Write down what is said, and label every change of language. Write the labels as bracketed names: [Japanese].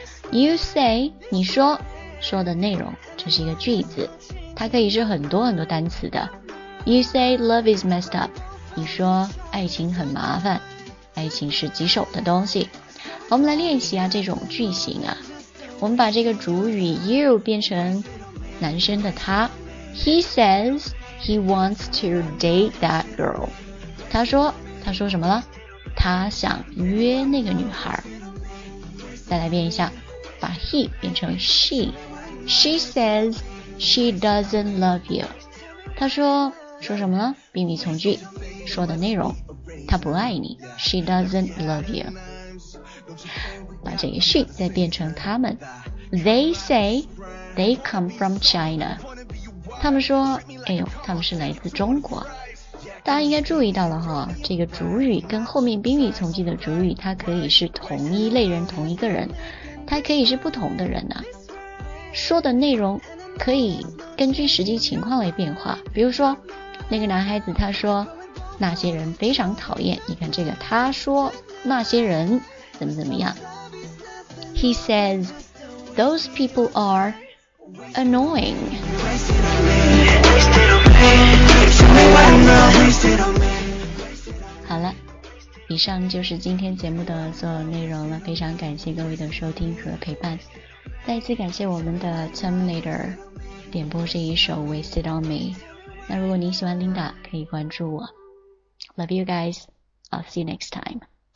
[English] You say [Chinese] 你说说的内容，这是一个句子，它可以是很多很多单词的。 [English] You say love is messed up， [Chinese] 你说爱情很麻烦，爱情是棘手的东西。我们来练习啊这种句型啊，我们把这个主语 you 变成男生的他。 [English] He says he wants to date that girl， [Chinese] 他说什么了，他想约那个女孩。再来变一下，把 he 变成 she。 [English] She says she doesn't love you. [Chinese] 她说什么呢？宾语从句，说的内容，她不爱你。 [English] She doesn't love you. [Chinese] 把这个 she 再变成他们。 [English] They say they come from China. [Chinese] 他们说，哎呦，他们是来自中国。大家应该注意到了哈，这个主语跟后面宾语从句的主语，它可以是同一类人，同一个人，它可以是不同的人呢、啊。说的内容可以根据实际情况来变化，比如说那个男孩子他说那些人非常讨厌，你看这个他说那些人怎么怎么样。 [English] He says Those people are annoying. [Chinese] 好了，以上就是今天节目的所有内容了，非常感谢各位的收听和陪伴，再次感谢我们的 Terminator 点播这一首 Wasted on Me。那如果你喜欢 Linda 可以关注我， [English] Love you guys, I'll see you next time.